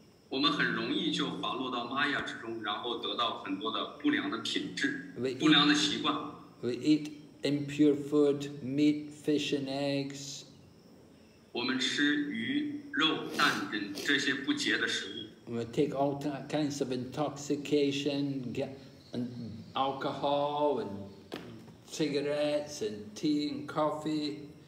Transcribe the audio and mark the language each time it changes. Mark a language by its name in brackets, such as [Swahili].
[English] We eat impure food, meat, fish and eggs. [Chinese] 我们吃鱼、肉、蛋等这些不洁的食物。 [English] We take all kinds of intoxication, and alcohol and cigarettes and tea and coffee.